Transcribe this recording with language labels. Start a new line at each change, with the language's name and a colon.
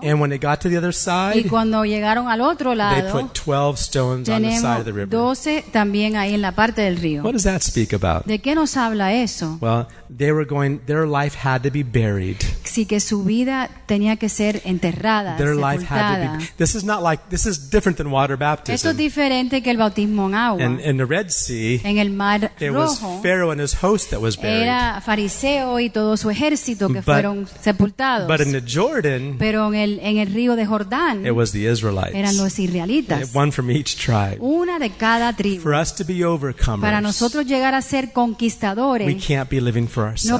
English: And when it got to the other side,
Spanish: y cuando llegaron al otro lado,
English: they put 12 stones on the side of the river.
Spanish: 12 también ahí en la parte del río.
English: What does that speak about?
Spanish: ¿De qué nos habla eso?
English: Well, they were going, their life had to be buried.
Spanish: Sí, que su vida tenía que ser enterrada,
English: their
Spanish: sepultada.
English: Life had to be, this is not like, this is different than water baptism.
Spanish: Esto es diferente que el bautismo en agua.
English: And in the Red Sea,
Spanish: en el Mar Rojo,
English: it was Pharaoh and his host that was buried.
Spanish: Era fariseo y todo su ejército que fueron sepultados.
English: But in the Jordan,
Spanish: pero en el río de Jordán,
English: it was the Israelites.
Spanish: Eran los israelitas.
English: One from each tribe.
Spanish: Una de cada tribu.
English: For us to be overcomers,
Spanish: para nosotros llegar a ser conquistadores,
English: we can't be living for ourselves.